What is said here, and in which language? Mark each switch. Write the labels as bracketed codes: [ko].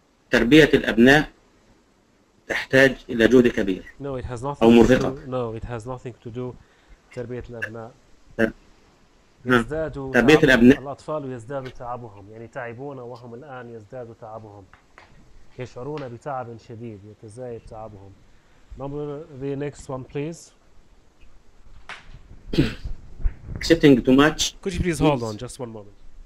[ar] تربية الأبناء تحتاج إلى جهد كبير [en] no, it has [ar] أو مرهقة. [en] No, it has nothing to do [ar] تربية الأبناء. تربية الأبناء. الأطفال يزداد تعبهم. يعني تعبون وهم الآن يزداد تعبهم. يشعرون بتعب شديد. يتزايد تعبهم. [en] Number the next one, please. Accepting too much. Could you please hold on just one moment?